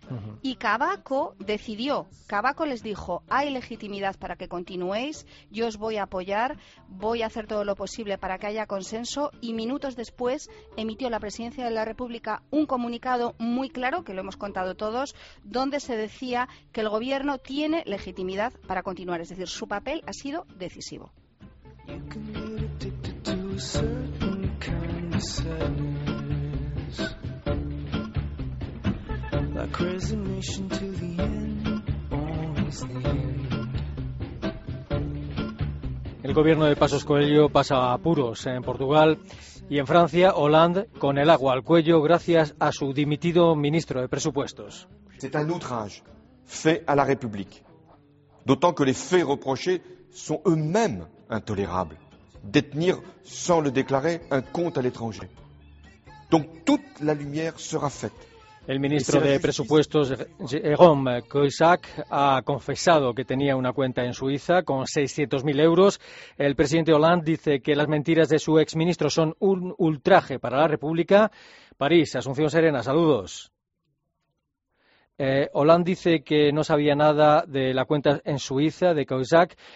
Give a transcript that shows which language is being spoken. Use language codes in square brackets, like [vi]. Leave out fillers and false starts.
[es] Uh-huh. Y Cavaco decidió, Cavaco les dijo: hay legitimidad para que continuéis, yo os voy a apoyar, voy a hacer todo lo posible para que haya consenso, y minutos después emitió la presidencia de la República un comunicado muy claro, que lo hemos contado todos, donde se decía que el gobierno tiene legitimidad para continuar, es decir, su papel ha sido decisivo. [en] You can get addicted to a certain kind of sadness, like resignation to the end, always the end. [es] gobierno de Pasos Coelho pasa a apuros en Portugal y en Francia, Hollande con el agua al cuello gracias a su dimitido ministro de presupuestos. [fr] C'est un outrage fait à la République. D'autant que les faits reprochés sont eux-mêmes intolérables. Détenir sans le déclarer un compte à l'étranger. Donc toute la lumière sera faite. [es] El ministro de Presupuestos, Jérôme Cahuzac, ha confesado que tenía una cuenta en Suiza con 600.000 euros. El presidente Hollande dice que las mentiras de su exministro son un ultraje para la República. París, Asunción Serena, saludos. Hollande dice que no sabía nada de la cuenta en Suiza de Cahuzac.